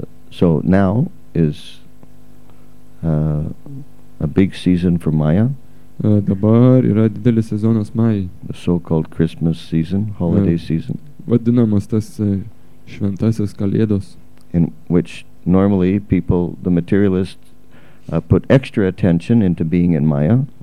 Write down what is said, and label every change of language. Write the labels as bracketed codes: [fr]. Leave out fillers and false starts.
[en] So now is a big season for Maya. [lt] Dabar yra didelis sezonas Maya. [en] The so-called Christmas season, holiday season. [lt] Vadinamas tas šventasis Kalėdos. [en] In which normally people, the materialists, put extra attention into being in Maya.